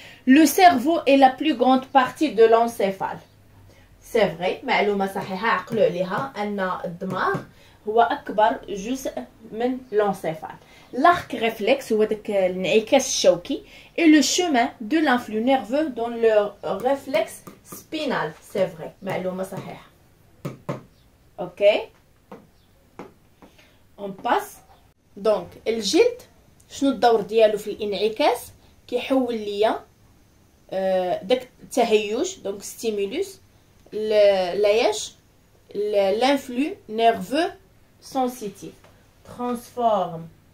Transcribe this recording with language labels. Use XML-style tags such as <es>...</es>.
<fr>Le cerveau est la plus grande partie de l'encéphale. C'est vrai,</fr> <ar>معلومة صحيحة عقلوا عليها أن الدماغ هو أكبر جزء من الانسيفال.</ar> <fr>L'arc réflexe</fr> <ar>هو داك الانعكاس الشوكي</ar> <fr>et le chemin de l'influx nerveux dans le réflexe spinal. C'est vrai,</fr> <ar>معلومة صحيحة. OK.</ar> <fr>On passe.</fr> <ar>Donc, الجلد شنو الدور ديالو في الانعكاس؟ كيحول ليا داك التهيج دونك ستيمولوس لايش</ar> <fr>لانفلو نيرفو سونسيتيف ترانسفورم</fr>